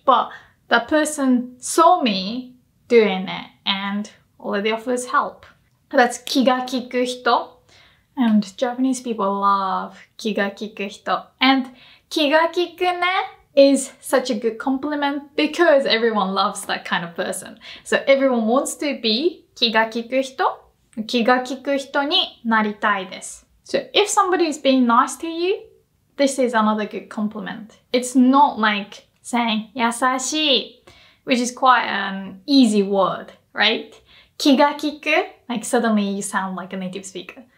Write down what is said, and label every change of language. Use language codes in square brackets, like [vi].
[en] But that person saw me doing it and already offers help. That's 気が利く人.And Japanese people love 気が利く人. And [ja] 気が利くね [en] is such a good compliment because everyone loves that kind of person. So everyone wants to be 気が利く人. [ja] 気が利く人になりたいです. [en] So if somebody is being nice to you, this is another good compliment. It's not like saying 優しい, which is quite an easy word, right? 気が利く, like suddenly you sound like a native speaker.